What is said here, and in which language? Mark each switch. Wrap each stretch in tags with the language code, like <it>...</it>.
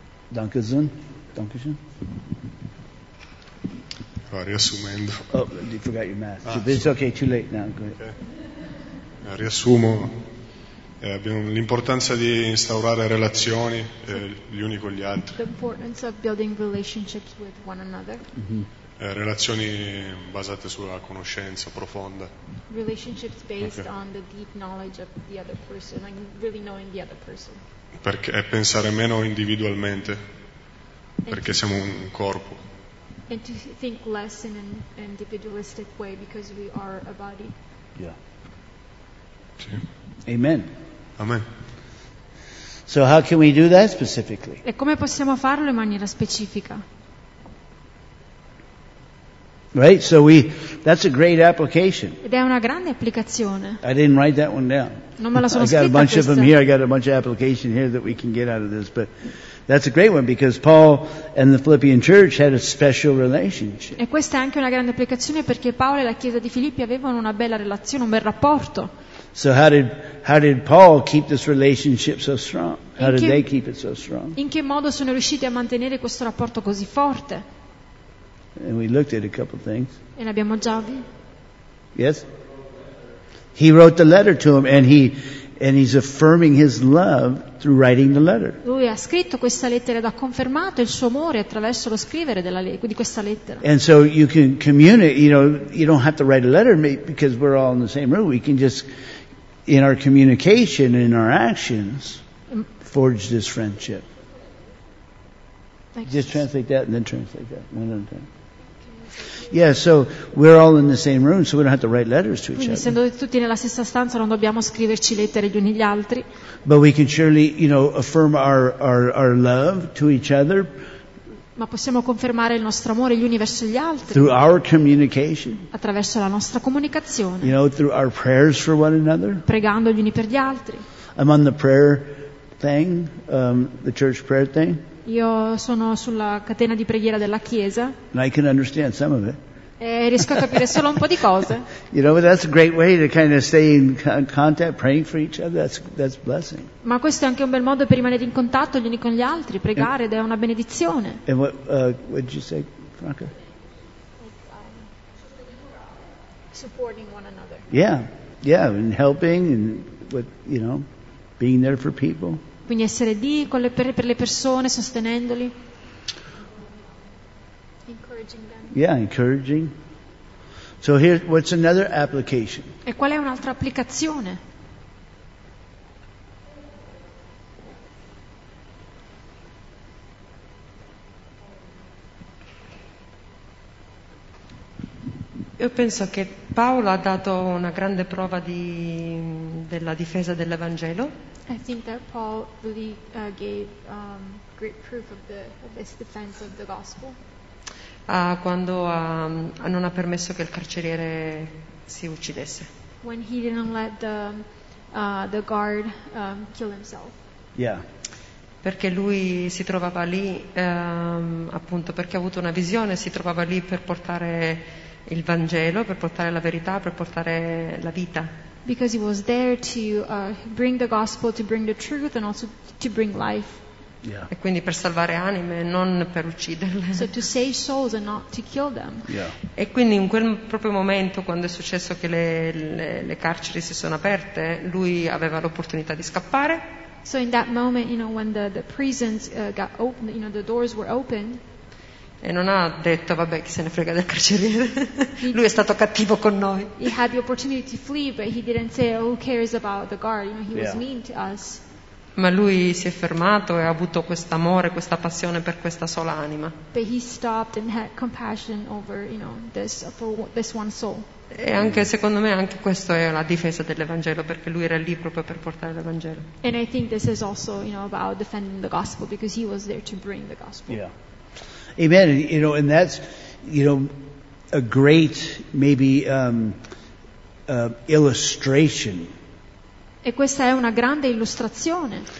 <de>Dankeschön.</de> <it>Riassumendo.</it> <en>Oh, you forgot your mask. It's okay, too late now. Go ahead.</en> <it>Okay. Riassumo. Abbiamo l'importanza di instaurare relazioni gli uni con gli altri.</it> <en>The importance of building relationships with one another. Mm-hmm.</en> <it>Relazioni basate sulla conoscenza profonda.</it> <en>Relationships based on the deep knowledge of the other person, like really knowing the other person.</en> <it>Perché è pensare meno individualmente, perché siamo un corpo.</it> <en>And to think less in an individualistic way because we are a body. Yeah.</en> <it>Sì. Amen. Amen.</it> <en>So how can we do that specifically?</en> <it>E come possiamo farlo in maniera specifica?</it> <en>Right, so that's a great application.</en> <it>Ed è una grande applicazione.</it> <en>I didn't write that one down.</en> <it>Non me la sono scritta.</it> <en>I got a bunch of them here. I got a bunch of application here that we can get out of this, but that's a great one because Paul and the Philippian church had a special relationship.</en> <it>E questa è anche una grande applicazione perché Paolo e la chiesa di Filippi avevano una bella relazione, un bel rapporto.</it> <en>So how did Paul keep this relationship so strong? How did they keep it so strong?</en> <it>In che modo sono riusciti a mantenere questo rapporto così forte?</it> <en>And we looked at a couple of things.</en> <it>E ne abbiamo già visto.</it> <en>Yes. He wrote the letter to him and he's affirming his love through writing the letter.</en> <it>Lui ha scritto questa lettera ed ha confermato il suo amore attraverso lo scrivere di questa lettera.</it> <en>And so you can communicate, you know, you don't have to write a letter because we're all in the same room. We can just, in our communication, in our actions. forge this friendship. Just translate that and then translate that. One at a time. Yeah, so we're all in the same room, so we don't have to write letters to each other.</en> <it>Essendo tutti nella stessa stanza, non dobbiamo scriverci lettere gli uni gli altri.</it> <en>But we can surely, you know, affirm our love to each other.</en> <it>Ma possiamo confermare il nostro amore gli uni verso gli altri.</it> <en>Through our communication.</en> <it>Attraverso la nostra comunicazione.</it> <en>You know, through our prayers for one another.</en> <it>Pregando gli uni per gli altri.</it> <en>I'm on the prayer thing, the church prayer thing.</en> <it>Io sono sulla catena di preghiera della Chiesa.</it> <en>And I can understand some of it.</en> <it>E riesco a capire solo un po' di cose.</it> <en>You know, that's a great way to kind of stay in contact, praying for each other. That's blessing.</en> <it>Ma questo è anche un bel modo per rimanere in contatto gli uni con gli altri, pregare, ed è una benedizione.</it> <en>And what did you say, Franca? Supporting one another. Yeah, yeah, and helping, and with, you know, being there for people.</en> <it>Quindi essere lì con le, per le persone, sostenendoli.</it> <en>Encouraging them. Yeah, encouraging. So here, what's another application?</en> <it>E qual è un'altra applicazione? Io penso che Paolo ha dato una grande prova di, della difesa dell'Evangelo.</it> <en>I think that Paul really gave great proof of the of this defense of the gospel.</en> <it>Quando non ha permesso che il carceriere si uccidesse.</it> <en>When he didn't let the guard kill himself. Yeah.</en> <it>Perché lui si trovava lì appunto perché ha avuto una visione, si trovava lì per portare il Vangelo, per portare la verità, per portare la vita.</it> <en>Because he was there to bring the gospel, to bring the truth, and also to bring life. Yeah.</en> <it>E quindi per salvare anime, non per ucciderle.</it> <en>So to save souls and not to kill them. Yeah.</en> <it>E quindi in quel proprio momento, quando è successo che le carceri si sono aperte, lui aveva l'opportunità di scappare.</it> <en>So in that moment, you know, when the prisons got opened, you know, the doors were opened.</en> <it>E non ha detto vabbè chi se ne frega del carceriere. Lui è stato cattivo con noi.</it> <en>He had the opportunity to flee, but he didn't say oh, who cares about the guard. You know, he was mean to us.</en> <it>Ma lui si è fermato e ha avuto questo amore, questa passione per questa sola anima.</it> <en>But he stopped and had compassion over, you know, this for this one soul.</en> <it>E anche secondo me anche questo è la difesa dell'Evangelo perché lui era lì proprio per portare l'Evangelo.</it> <en>And I think this is also, you know, about defending the gospel because he was there to bring the gospel. Yeah. Amen. You know, and that's, you know, a great maybe illustration.</en> <it>E questa è una grande illustrazione.</it>